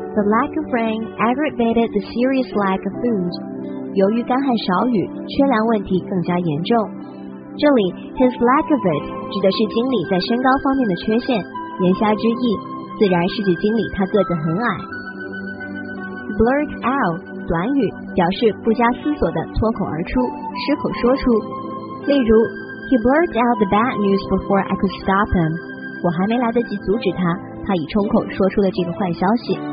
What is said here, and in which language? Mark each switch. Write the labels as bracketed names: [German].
[English] The lack of rain aggravated the serious lack of food. [Chinese] 由于干旱少雨，缺粮问题更加严重。这里 [English] his lack of it [Chinese] 指的是经理在身高方面的缺陷，言下之意自然是指经理他个子很矮。 blurt out 短语，表示不加思索的脱口而出，失口说出。例如 [English] he blurted out the bad news before I could stop him. [Chinese] 我还没来得及阻止他，他已冲口说出了这个坏消息。